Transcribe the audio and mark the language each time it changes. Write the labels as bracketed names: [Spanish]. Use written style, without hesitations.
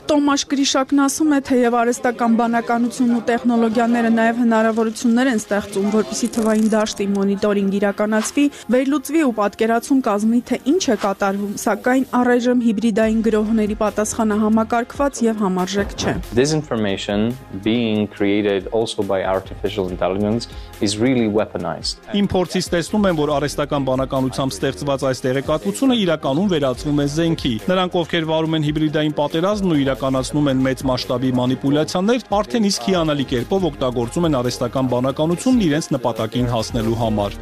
[Armenian] Տոմաշ Գրիշակն ասում է, թե եւ արհեստական բանականությունն ու տեխնոլոգիաները նաև հնարավորություններ են ստեղծում, որպեսզի թվային դաշտի մոնիտորինգ իրականացվի, վերլուծվի ու պատկերացում կազմի, թե ինչ է կատարվում, սակայն առայժմ հիբրիդային գրոհների պատասխանը համակարգված եւ համարժեք չէ։ [English] This information being created also by artificial intelligence is really weaponized։ [Armenian] Իմ փորձից տեսնում եմ, որ արհեստական բանականությամբ ստեղծված այս տեղեկատվությունը իրականում վերածվում է զենքի։ Նրանք, ովքեր վարում են հիբրիդային պատերազմ ու իրականացնում են մեծ մասշտաբի մանիպուլյացիաներ, արդեն իսկ հիանալի կերպով օգտագործում են արհեստական բանականությունն իրենց նպատակին հասնելու համար։